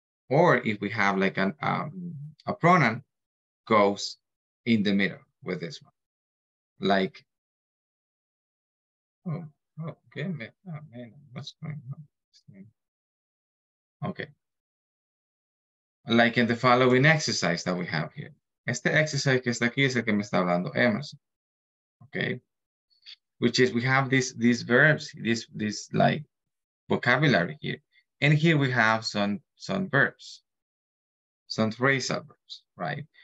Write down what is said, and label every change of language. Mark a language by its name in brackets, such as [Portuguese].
[English] Or if we have like a pronoun, goes in the middle with this one. Like, what's going on? Okay. Like in the following exercise that we have here. [Spanish] Este exercise que está aquí es el que me está hablando Emerson, okay? [English] Which is we have these verbs, this like vocabulary here. And here we have some verbs, some phrasal verbs, right?